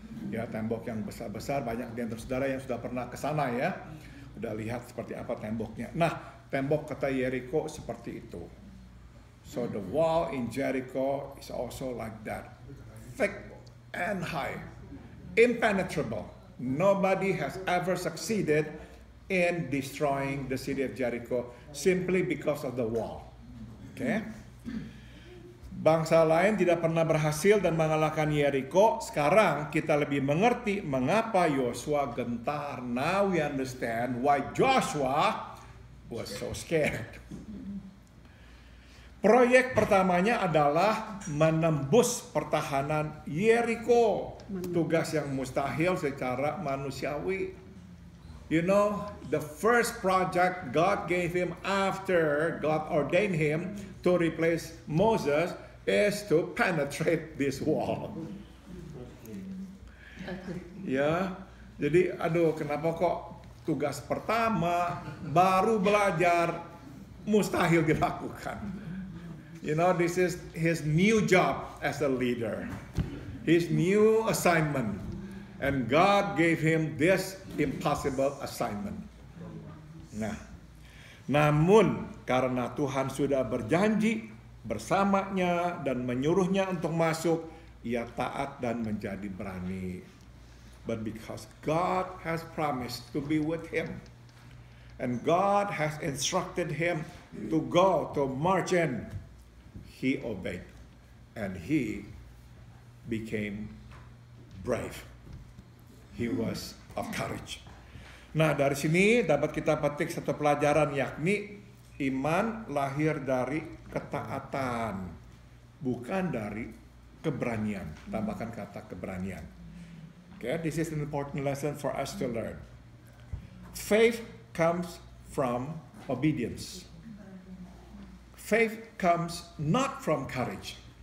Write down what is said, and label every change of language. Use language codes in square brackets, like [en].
[id] Ya, tembok yang besar-besar, banyak di antara saudara yang sudah pernah ke sana ya. Sudah lihat seperti apa temboknya. Nah, tembok kota Jericho seperti itu. [en] So the wall in Jericho is also like that, thick and high, impenetrable. Nobody has ever succeeded in destroying the city of Jericho simply because of the wall. Okay? [id] Bangsa lain tidak pernah berhasil dan mengalahkan Jericho. Sekarang kita lebih mengerti mengapa Yosua gentar. [en] Now we understand why Joshua was so scared. [id] Proyek pertamanya adalah menembus pertahanan Jericho. Tugas yang mustahil secara manusiawi. [en] You know, the first project God gave him after God ordained him to replace Moses is to penetrate this wall. [id] Ya, jadi aduh kenapa kok tugas pertama baru belajar mustahil dilakukan. [en] You know, this is his new job as a leader, his new assignment, and God gave him this impossible assignment. [id] Nah, namun karena Tuhan sudah berjanji bersamanya dan menyuruhnya untuk masuk, ia taat dan menjadi berani. [en] But because God has promised to be with him, and God has instructed him to go, to march in, he obeyed, and he became brave. He was of courage. [id] Nah, dari sini dapat kita petik satu pelajaran, yakni iman lahir dari ketaatan, bukan dari keberanian. Tambahkan kata keberanian. [en] Okay, this is an important lesson for us to learn. Faith comes from obedience. Faith comes not from courage.